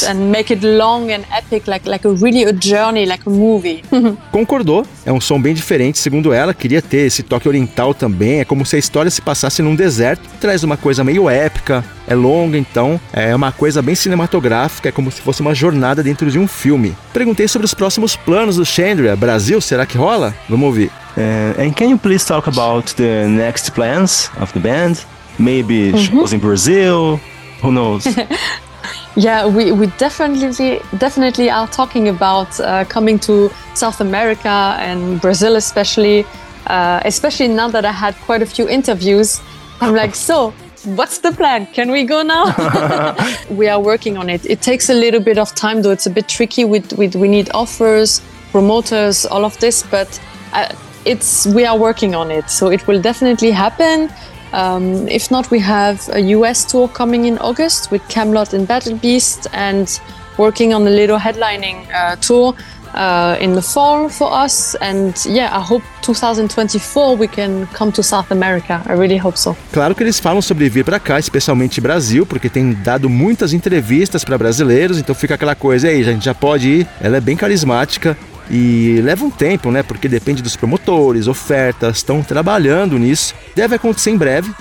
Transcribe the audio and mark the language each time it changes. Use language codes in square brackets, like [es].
[en] To it and make it long and epic, like a really a journey, like a movie. [pt] Concordou, é um som bem diferente, segundo ela, queria ter esse toque oriental também, é como se a história se passasse num deserto, traz uma coisa meio épica, é longa, então, é uma coisa bem cinematográfica, é como se fosse uma jornada dentro de um filme. Perguntei sobre os próximos planos do Chandria, Brasil, será que rola? Vamos ouvir. [en] And can you please talk about the next plans of the band? Maybe shows in Brazil, who knows? Yeah, we definitely are talking about coming to South America and Brazil, especially now that I had quite a few interviews. I'm like, so what's the plan? Can we go now? We are working on it. It takes a little bit of time, though. It's a bit tricky. We need offers, promoters, all of this. But we are working on it. So it will definitely happen. If not, we have a US tour coming in August with Camelot and Battle Beast, and working on a little headlining tour in the fall for us. And yeah, I hope 2024 we can come to South America. I really hope so. [pt] Claro que eles falam sobre vir para cá, especialmente Brasil, porque tem dado muitas entrevistas para brasileiros, então fica aquela coisa aí, a gente já pode ir. Ela é bem carismática. E leva um tempo, né? Porque depende dos promotores, ofertas, estão trabalhando nisso. Deve acontecer em breve.